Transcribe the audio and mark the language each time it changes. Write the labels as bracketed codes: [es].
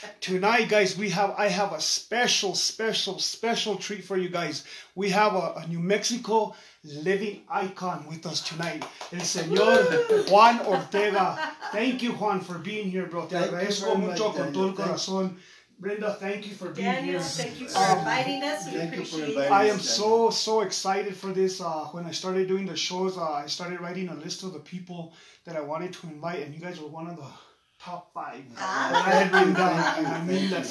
[en] Tonight, guys, I have a special, special, special treat for you guys. We have a New Mexico living icon with us tonight, [es] el señor [en] Juan Ortega. Thank you, Juan, for being here, bro. [es] Te agradezco mucho con todo el corazón. [en] Brenda, thank you for being Daniel, Daniel, thank you for inviting us. We appreciate it. I am so, so excited for this. When I started doing the shows, I started writing a list of the people that I wanted to invite, and you guys were one of the top five. I had been done. And I mean that sincerely.